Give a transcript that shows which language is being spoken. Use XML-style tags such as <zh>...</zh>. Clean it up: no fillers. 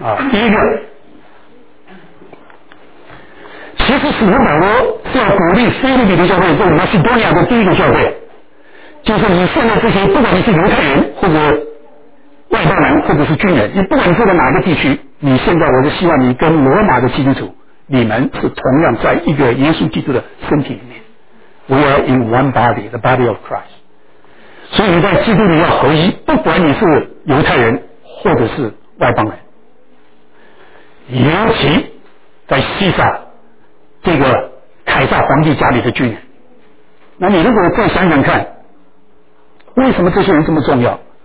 <zh>第一个，其实使徒保罗是要鼓励腓立比的教会，这个马其顿亚的第一个教会，就是你现在这些，不管你是犹太人或者外邦人或者是军人，你不管你住在哪个地区，你现在我是希望你跟罗马的基督徒，你们是同样在一个耶稣基督的身体里面。</zh> <en>We are in one body, the body of Christ。</en> <zh>所以你在基督里要合一，不管你是犹太人或者是外邦人，尤其在西撒这个凯撒皇帝家里的军人。那你如果再想想看，为什么这些人这么重要？</zh>